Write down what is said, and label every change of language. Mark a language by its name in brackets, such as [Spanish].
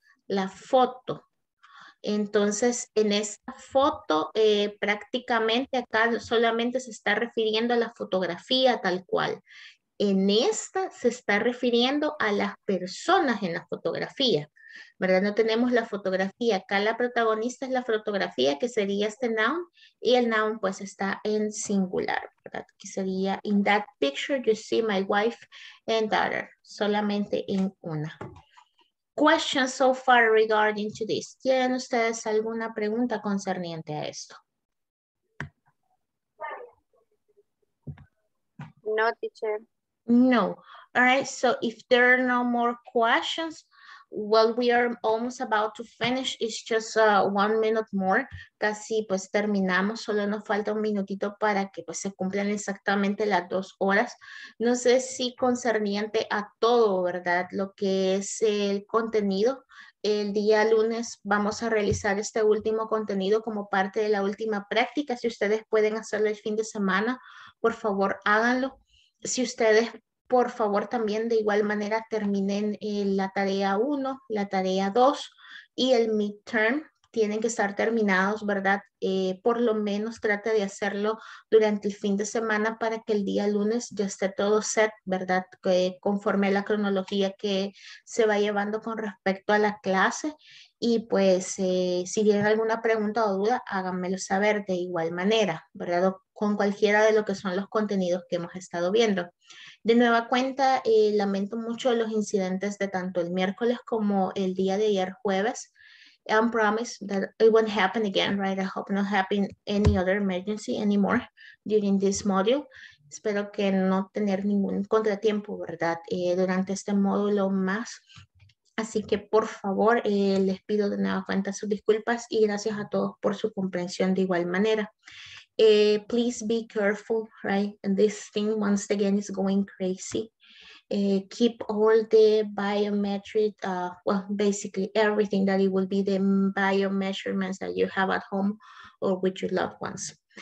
[Spanish] La foto. Entonces, en esta foto, prácticamente acá solamente se está refiriendo a la fotografía tal cual. En esta se está refiriendo a las personas en la fotografía. ¿Verdad? No tenemos la fotografía. Acá la protagonista es la fotografía, que sería este noun, y el noun pues está en singular, ¿verdad? Que sería, [English] in that picture you see my wife and daughter, [Spanish] solamente en una. [English] Questions so far regarding to this. [Spanish] ¿Tienen ustedes alguna pregunta concerniente a esto? [English] No, teacher. No. All right, so if there are no more questions, well, we are almost about to finish. It's just 1 minute more. [Spanish] Casi pues terminamos. Solo nos falta un minutito para que pues se cumplan exactamente las 2 horas. No sé si concerniente a todo, ¿verdad? Lo que es el contenido. El día lunes vamos a realizar este último contenido como parte de la última práctica. Si ustedes pueden hacerlo el fin de semana, por favor, háganlo. Si ustedes... por favor, también de igual manera terminen la tarea 1, la tarea 2 y el midterm. Tienen que estar terminados, ¿verdad? Por lo menos trate de hacerlo durante el fin de semana para que el día lunes ya esté todo set, ¿verdad? Que conforme a la cronología que se va llevando con respecto a la clase. Y pues si tienen alguna pregunta o duda, háganmelo saber de igual manera, ¿verdad? O con cualquiera de lo que son los contenidos que hemos estado viendo. De nueva cuenta, lamento mucho los incidentes de tanto el miércoles como el día de ayer jueves. [English] I promise that it won't happen again, right? I hope not happen any other emergency anymore during this module. [Spanish] Espero que no tener ningún contratiempo, ¿verdad? Durante este módulo más. Así que, por favor, les pido de nueva cuenta sus disculpas y gracias a todos por su comprensión de igual manera. [English] Please be careful, right? And this thing once again is going crazy. Keep all the biometric, well, basically everything that it will be the biomeasurements that you have at home or with your loved ones.